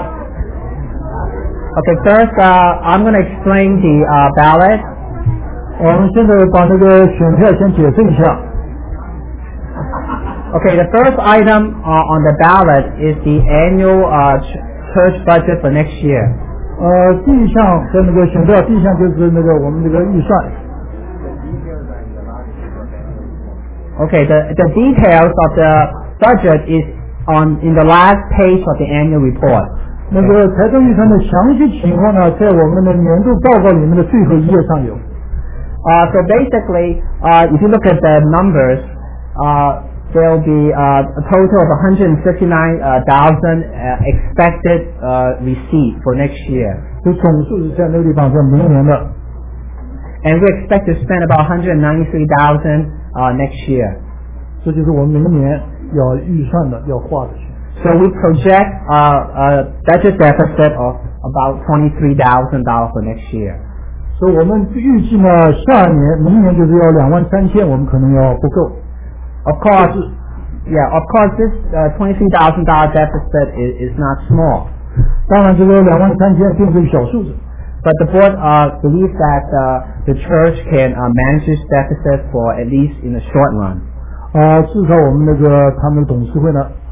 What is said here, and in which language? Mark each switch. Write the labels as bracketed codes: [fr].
[en] Okay, first, I'm going to explain the ballot. [zh] 我们现在把那个选票先解释一下。Okay, [en] the first item on the ballot is the annual church budget for next year. [zh] 第一项跟那个选票，第一项就是那个我们这个预算。Okay, [en] the details of the budget is in the last page of the annual report. [zh] 那个财政预算的详细情况呢，在我们的年度报告里面的最后一页上有。 [en] So basically, if you look at the numbers, there will be a total of 159,000 expected receipt for next year. [zh] 就总数是在那个地方，在明年的。 [en] And we expect to spend about 193,000 next year. [zh] 这就是我们明年要预算的，要花的。 [en] So we project a budget deficit of about $23,000 for next year. [zh] So 我们预计呢，下年明年就是要23,000，我们可能要不够。 [en] Of course, this $23,000 deficit is not small. [zh] 当然，这个23,000并不是小数字。 [en] But the board believes that the church can manage this deficit for at least in the short run. [zh] 至少我们那个他们董事会呢。